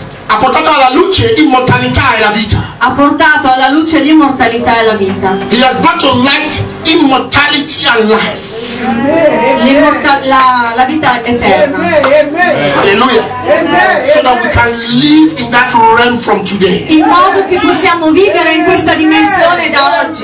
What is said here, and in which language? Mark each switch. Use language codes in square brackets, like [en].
[it] ha portato alla luce immortalità e la vita. Ha portato alla luce l'immortalità e la vita. [en] He has brought to light immortality and life. [it] La vita eterna. Alleluia. [en] So that we can live in that realm from today. [it] In modo che possiamo vivere in questa dimensione da oggi.